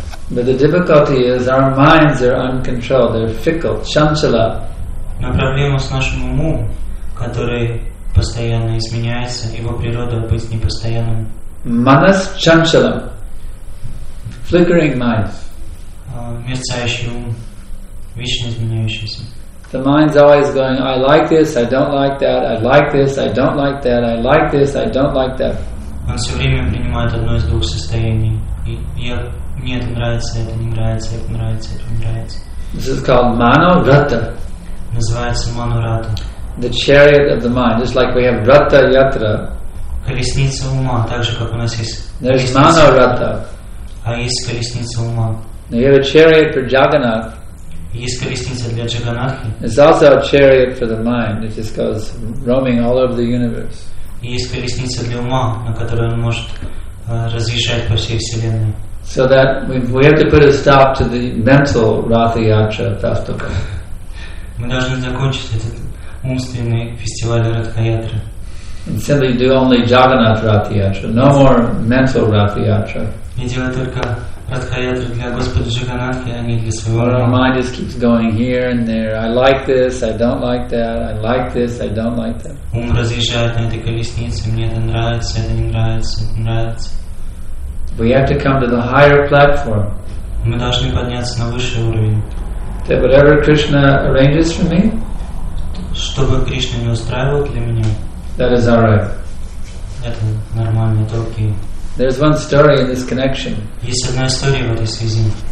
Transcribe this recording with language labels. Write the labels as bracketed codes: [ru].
[en] But the difficulty is our minds are uncontrolled, they're fickle, chanchala. [ru] Но проблема с нашим умом, который постоянно изменяется, его природа быть непостоянным. [sa] Manas chanchalam. [en] Flickering mind. [ru] Мерцающий ум, вечно изменяющийся. [en] The mind's always going, I like this, I don't like that, I like this, I don't like that, I like this, I don't like that. [ru] Он все время принимает одно из двух состояний. Мне это нравится, это не нравится, это нравится, это не нравится. [en] This is called Manavrata. [ru] Называется Манурата. [en] The chariot of the mind, just like we have Vrata Yatra. [ru] Колесница ума, так же как у нас есть. [en] There's Manavrata. [ru] А есть колесница ума. [en] Now you have a chariot for Jagannath. [ru] Есть колесница для Джаганатхи. [en] There's also a chariot for the mind. It just goes roaming all over the universe. [ru] И есть колесница для ума, на которой он может разъезжать по всей вселенной. [en] So that we have to put a stop to the mental Ratha Yatra festival. [ru] Мы должны закончить этот умственный фестиваль Ратха Ятры. [en] And simply do only Jagannath Ratha Yatra, no more mental Ratha Yatra. [ru] И делать только Ратха Ятру для Господа Джаганатхи, а не для своего. [en] Our mind just keeps going here and there. I like this, I don't like that. I like this, I don't like that. [ru] Ум разъезжает на этой колеснице. Мне это нравится, это не нравится, это нравится. [en] We have to come to the higher platform. [ru] Мы должны подняться на высший уровень. [en] That whatever Krishna arranges for me, [ru] чтобы Кришна не устраивал для меня, [en] that is alright. [ru] Это нормально, это окей. [en] There's one story in this connection. [ru] Есть одна история в этой связи.